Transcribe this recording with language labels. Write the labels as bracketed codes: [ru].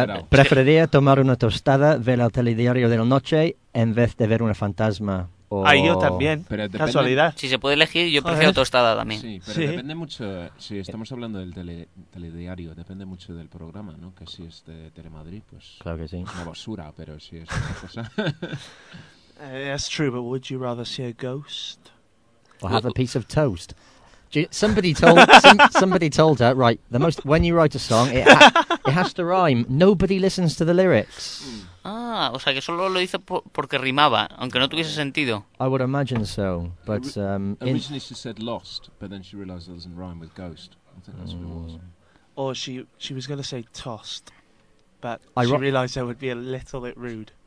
[es] Preferiría tomar una tostada, ver el telediario de la noche en vez de ver un fantasma. Ah, yo también. Pero casualidad. Si se puede elegir, yo prefiero tostada también. Sí, pero sí. Depende mucho. Si estamos hablando del telediario, depende mucho del programa, ¿no? Que si es de Telemadrid, pues. Claro que sí. Una basura, pero si es otra cosa. [en] That's true, but would you rather see a ghost? Or have a piece of toast. Somebody told her, right, when you write a song, it has to rhyme. Nobody listens to the lyrics. [es] Ah, o sea, que solo lo hizo porque rimaba, aunque no tuviese sentido. [en] I would imagine so, but... Originally she said lost, but then she realized it doesn't rhyme with ghost. I think that's what it was. Or she was going to say tossed, but she realized that would be a little bit rude.